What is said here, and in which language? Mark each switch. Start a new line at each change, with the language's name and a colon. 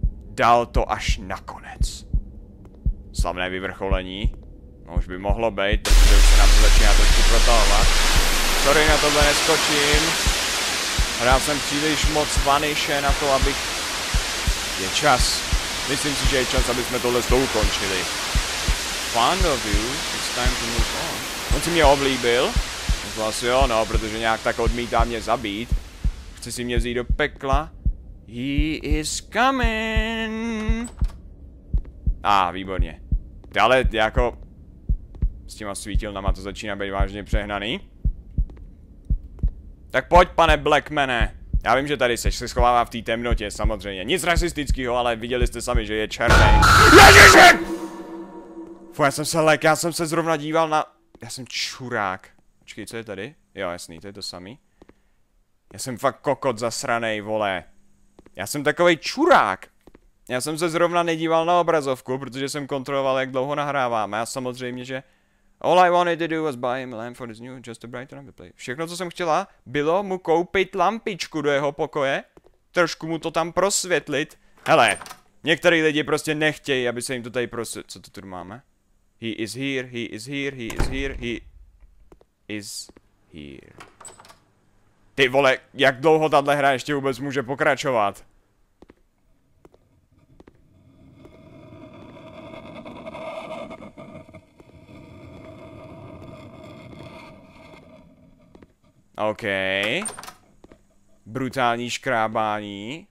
Czech: Dal to až na konec. Slavné vyvrcholení. No už by mohlo být, protože už se nám to začíná trošku protahovat. Sorry, na tohle neskočím. Hra jsem příliš moc vanyše na to, abych... Je čas. Myslím si, že je čas, aby jsme tohle ukončili.
English: Fond of you, it's time to move on.
Czech: On si mě oblíbil. To asi jo, no, protože nějak tak odmítá mě zabít. Chce si mě vzít do pekla.
English: He is coming.
Czech: Výborně. Ale jako... S těma svítilnama to začíná být vážně přehnaný. Tak pojď, pane Blackmane. Já vím, že tady seš, se schovává v té temnotě, samozřejmě. Nic rasistického, ale viděli jste sami, že je černý. Ježiši! Fuj, já jsem se lek, já jsem se zrovna díval na... Já jsem čurák. Počkej, co je tady? Jo, jasný, to je to samý. Já jsem fakt kokot zasranej, vole. Já jsem takovej čurák. Já jsem se zrovna nedíval na obrazovku, protože jsem kontroloval, jak dlouho nahráváme. A samozřejmě, že...
English: All I wanted to do was buy him a lamp for his new, just to brighten up the place.
Czech: Všechno, co jsem chtěla, bylo mu koupit lampičku do jeho pokoje. Trošku mu to tam prosvětlit. Hele, některý lidi prostě nechtějí, aby se jim to tady prosvětlit. Co to tu máme?
English: He is here, he is here, he is here, he is here.
Czech: Ty vole, jak dlouho tahle hra ještě vůbec může pokračovat? OK. Brutální škrábání.